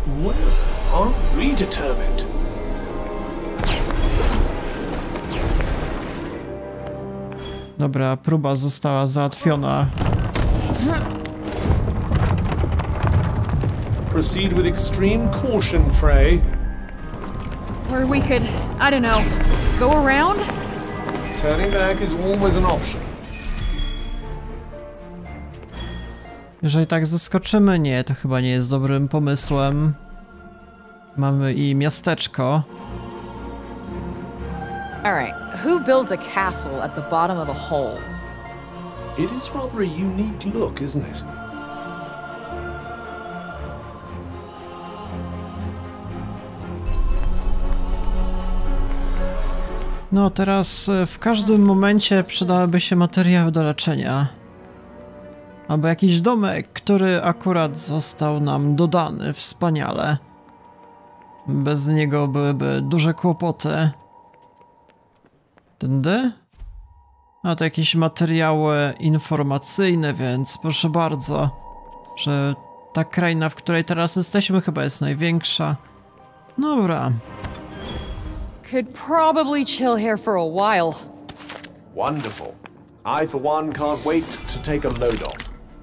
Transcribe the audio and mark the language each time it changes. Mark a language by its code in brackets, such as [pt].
[en] Well, aren't we determined? [pl] Dobra, próba została załatwiona. [en] Proceed with extreme caution, Frey. Or we could, I don't know, go around? Turning back is always an option. [pl] Jeżeli tak zaskoczymy, nie, to chyba nie jest dobrym pomysłem. Mamy i miasteczko. [en] Alright, who builds a castle at the bottom of a hole? It is rather a unique look, isn't it? [pl] No teraz w każdym momencie przydałyby się materiały do leczenia. Albo jakiś domek, który akurat został nam dodany, wspaniale. Bez niego byłyby duże kłopoty. Tędy? A to jakieś materiały informacyjne, więc proszę bardzo, że ta kraina, w której teraz jesteśmy, chyba jest największa. Dobra. [en] Could probably chill here for a while. Wonderful. I for one can't wait to take a load off.